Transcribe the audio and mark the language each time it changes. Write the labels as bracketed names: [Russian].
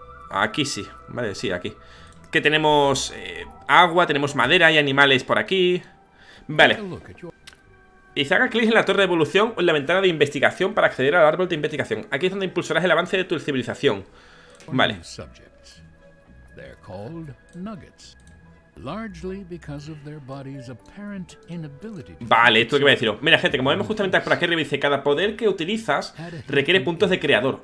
[Spanish] Aquí sí, vale, sí, aquí. Que tenemos agua, tenemos madera y animales por aquí. Vale. Y haga clic en la torre de evolución o en la ventana de investigación para acceder al árbol de investigación. Aquí es donde impulsarás el avance de tu civilización. [English] Vale. They're called nuggets. Largely because of their body's apparent inability. [Spanish] Vale, esto que voy a deciros. Mira, gente, como vemos justamente por aquí arriba, dice: cada poder que utilizas requiere puntos de creador.